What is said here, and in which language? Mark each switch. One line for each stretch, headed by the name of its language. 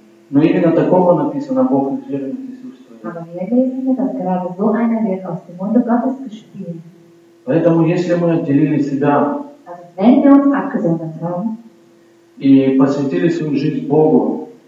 Russian: Но именно такого написано, Бог извергнет из уст твоих.
German: Aber wir lesen, dass gerade so einer wird aus dem Munde Gottes gespielt.
Russian: Поэтому, если мы отделили себя,
German: wenn wir uns abgesondert haben,
Russian: и посвятили свою жизнь Богу,